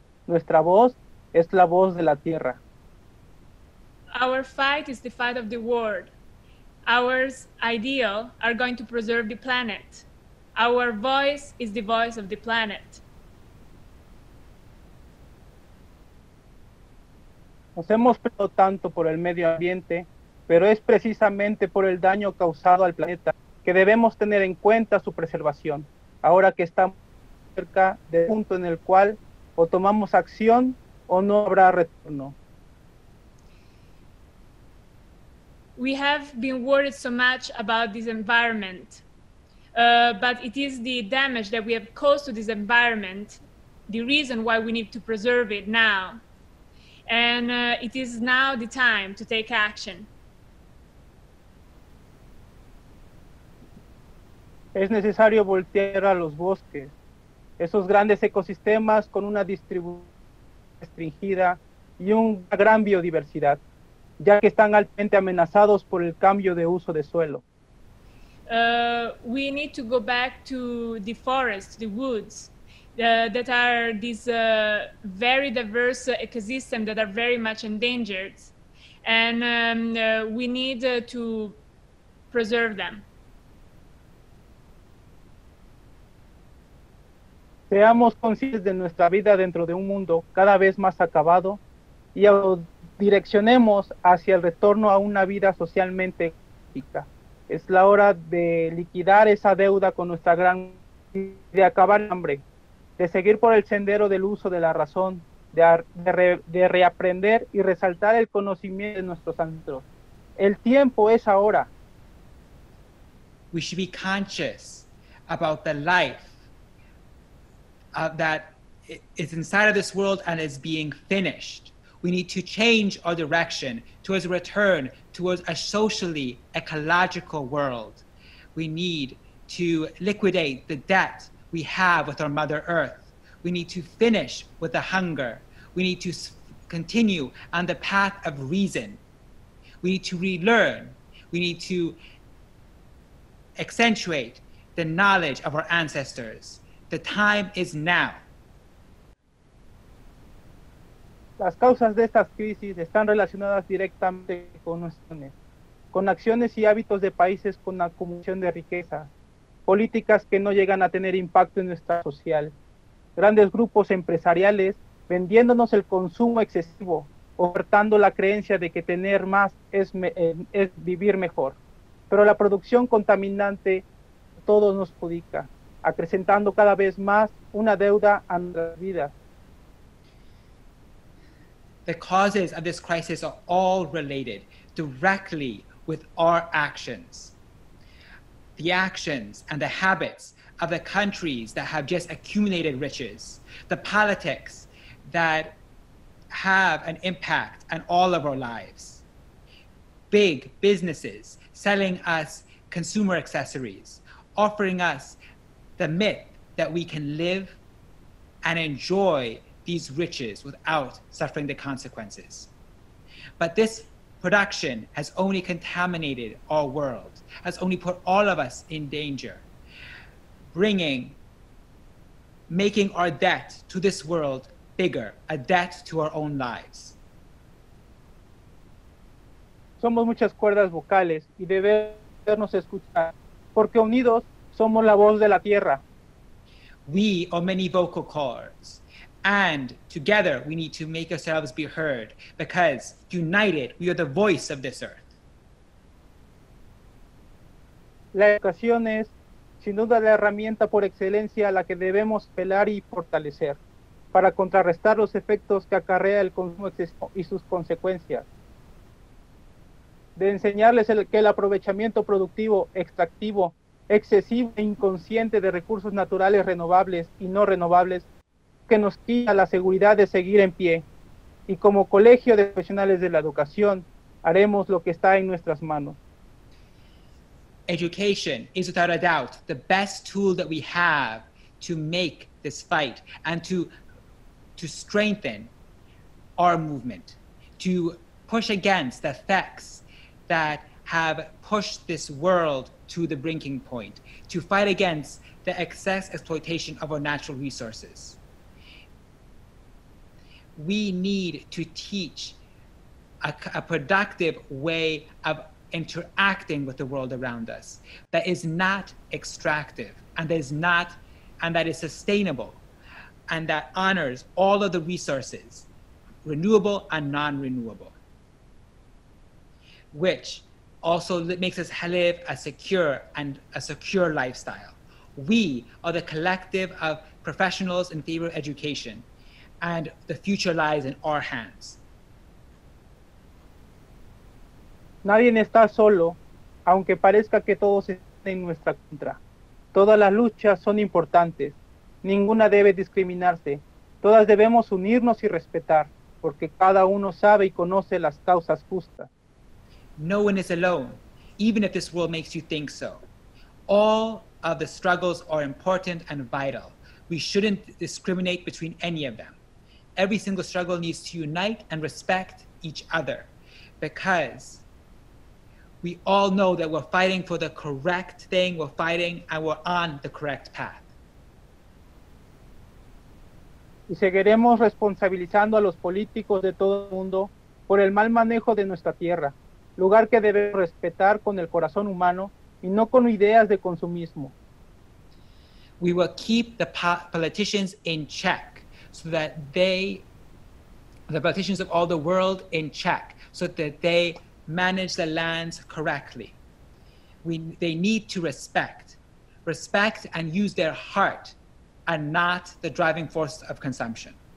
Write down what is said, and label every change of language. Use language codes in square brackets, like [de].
[es] Nuestra voz es la voz de la tierra. [en] Our fight is the fight of the world. Our ideals are going to preserve the planet. Our voice is the voice of the planet. [es] Nos hemos peleado tanto por el medio ambiente, pero es precisamente por el daño causado al planeta que debemos tener en cuenta su preservación, ahora que estamos cerca del punto en el cual o tomamos acción o no habrá retorno. [en] We have been worried so much about this environment, but it is the damage that we have caused to this environment, the reason why we need to preserve it now. And it is now the time to take action. [es] Es necesario voltear a los bosques, esos grandes ecosistemas con una distribución restringida y una gran biodiversidad, ya que están altamente amenazados por el cambio de uso de suelo. [en] We need to go back to the forest, the woods, that are these very diverse ecosystems that are very much endangered. And we need to preserve them. [es] Seamos conscientes de nuestra vida dentro de un mundo cada vez más acabado y direccionemos hacia el retorno a una vida socialmente ética. Es la hora de liquidar esa deuda con nuestra gran de acabar el hambre, de seguir por el sendero del uso de la razón, de reaprender y resaltar el conocimiento de nuestros ancestros. El tiempo es ahora. [en] We should be conscious about the life that is inside of this world and is being finished. We need to change our direction towards a return towards a socially ecological world. We need to liquidate the debt we have with our Mother Earth. We need to finish with the hunger. We need to continue on the path of reason. We need to relearn. We need to accentuate the knowledge of our ancestors. The time is now. [es] Las causas de estas crisis están relacionadas directamente con acciones y hábitos de países con acumulación de riqueza, políticas que no llegan a tener impacto en nuestra social, grandes grupos empresariales vendiéndonos el consumo excesivo, ofertando la creencia de que tener más es vivir mejor, pero la producción contaminante a todos nos perjudica, acrecentando cada vez más una deuda a nuestras vidas. [en] The causes of this crisis are all related directly with our actions. The actions and the habits of the countries that have just accumulated riches, the politics that have an impact on all of our lives. Big businesses selling us consumer accessories, offering us the myth that we can live and enjoy these riches without suffering the consequences. But this production has only contaminated our world, has only put all of us in danger, making our debt to this world bigger, a debt to our own lives. [es] Somos muchas cuerdas vocales y debemos escuchar, porque unidos somos la voz de la tierra. [en] We are many vocal cords, and together we need to make ourselves be heard, because united we are the voice of this earth. [es] La educación es, sin duda, la herramienta por excelencia a la que debemos apelar y fortalecer para contrarrestar los efectos que acarrea el consumo excesivo y sus consecuencias. De enseñarles que el aprovechamiento productivo, extractivo, excesivo e inconsciente de recursos naturales renovables y no renovables, que nos quita la seguridad de seguir en pie. Y como colegio de profesionales de la educación, haremos lo que está en nuestras manos. [en] Education is without a doubt the best tool that we have to make this fight and to strengthen our movement, to push against the effects that have pushed this world to the breaking point, to fight against the excess exploitation of our natural resources. We need to teach a productive way of interacting with the world around us that is not extractive and that is not, and that is sustainable and that honors all of the resources, renewable and non-renewable, which also makes us live a secure lifestyle. We are the collective of professionals in favor of education, and the future lies in our hands. [es] Nadie está solo, aunque parezca que todos están en nuestra contra. Todas las luchas son importantes. Ninguna debe discriminarse. Todas debemos unirnos y respetar, porque cada uno sabe y conoce las causas justas. [en] No one is alone, even if this world makes you think so. All of the struggles are important and vital. We shouldn't discriminate between any of them. Every single struggle needs to unite and respect each other, because we all know that we're fighting for the correct thing, we're fighting and we're on the correct path. [es] Y seguiremos responsabilizando a los políticos de todo el mundo por el mal manejo de nuestra tierra, lugar que debemos respetar con el corazón humano y no con ideas de consumismo. [en] We will keep the politicians in check so that they, the politicians of all the world in check, so that they manage the lands correctly. They need to respect and use their heart and not the driving force of consumption.